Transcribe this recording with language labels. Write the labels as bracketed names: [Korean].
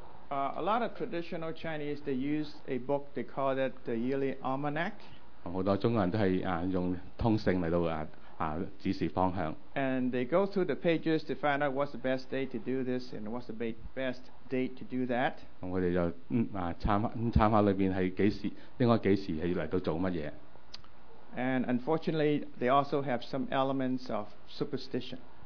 [English] A lot of traditional Chinese they use a book they call it the yearly almanac。 [Cantonese] 好多中國人都係用通勝嚟到指示方向。 [English] And they go through the pages to find out what's the best day to do this and what's the best date to do that. [Cantonese] 我哋就參考裏邊係幾時，應該幾時係嚟到做乜嘢。 [English] And unfortunately, they also have some elements of superstition.